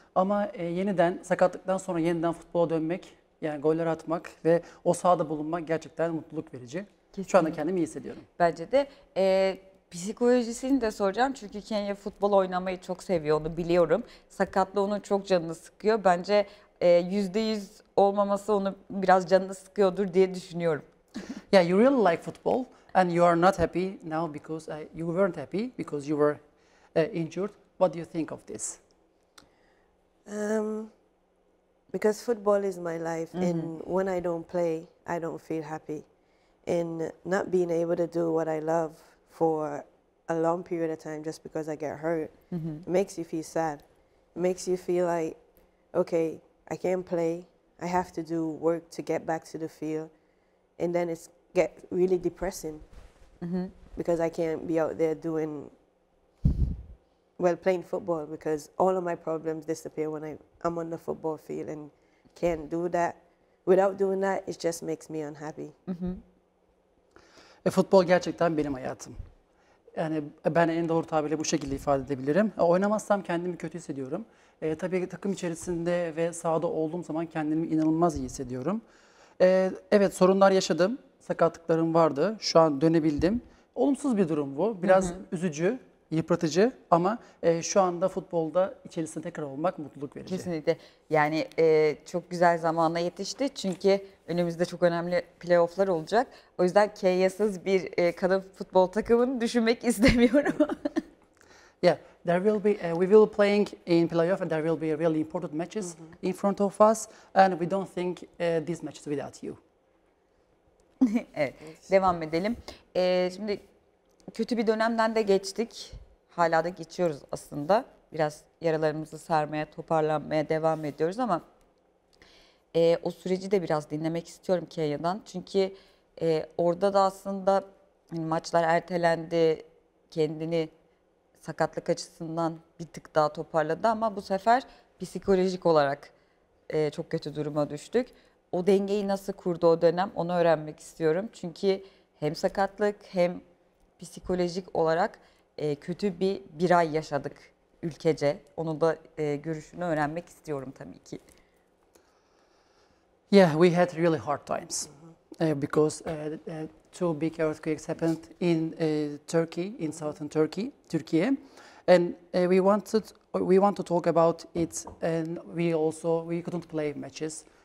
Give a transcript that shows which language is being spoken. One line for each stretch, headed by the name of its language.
Turkish: Ama yeniden sakatlıktan sonra yeniden futbola dönmek, yani goller atmak ve o sahada bulunmak gerçekten mutluluk verici. Kesinlikle. Şu anda kendimi iyi hissediyorum. Bence de. Psikolojisini de soracağım. Çünkü Kenya futbol oynamayı çok seviyor, onu biliyorum. Sakatlığı onun çok canını sıkıyor. Bence %100 olmaması onu biraz canını sıkıyordur diye düşünüyorum.
English: Yeah, you really like football and you are not happy now because you weren't happy because you were injured. What do you think of this? Because football is my life and when I don't play, I don't feel happy. In not being able to do what I love for a long period of time just because I get hurt makes you feel sad. It makes you feel like, okay, I can't play. I have to do work to get back to the field. And then it's get really depressing because I can't be out there doing, well, playing football because all of my problems disappear when I'm on the football field and can't do that. Without doing that, it just makes me unhappy.
Turkish: Futbol gerçekten benim hayatım. Yani ben en doğru tabirle bu şekilde ifade edebilirim. Oynamazsam kendimi kötü hissediyorum. Tabii takım içerisinde ve sahada olduğum zaman kendimi inanılmaz iyi hissediyorum. Evet, sorunlar yaşadım. Sakatlıklarım vardı. Şu an dönebildim. Olumsuz bir durum bu. Biraz üzücü, yıpratıcı ama şu anda futbolda içerisinde tekrar olmak mutluluk verici. Kesinlikle. Yani çok güzel zamana yetişti çünkü önümüzde çok önemli playofflar olacak. O yüzden Kenya'sız bir kadın futbol takımını düşünmek istemiyorum.
English: Yeah, there will be we will playing in playoff and there will be really important matches in front of us and we don't think these matches without you.
Turkish: Evet, devam edelim. Şimdi kötü bir dönemden de geçtik. Hala da geçiyoruz aslında. Biraz yaralarımızı sarmaya, toparlanmaya devam ediyoruz ama o süreci de biraz dinlemek istiyorum Kenya'dan. Çünkü orada da aslında hani maçlar ertelendi. Kendini sakatlık açısından bir tık daha toparladı ama bu sefer psikolojik olarak çok kötü duruma düştük. O dengeyi nasıl kurdu o dönem onu öğrenmek istiyorum. Çünkü hem sakatlık hem psikolojik olarak kötü bir ay yaşadık ülkece. Onun da görüşünü öğrenmek istiyorum tabii ki.
English: Yeah, we had really hard times because two big earthquakes happened in Turkey, in southern Turkey, Türkiye. And we want to talk about it and we couldn't play matches.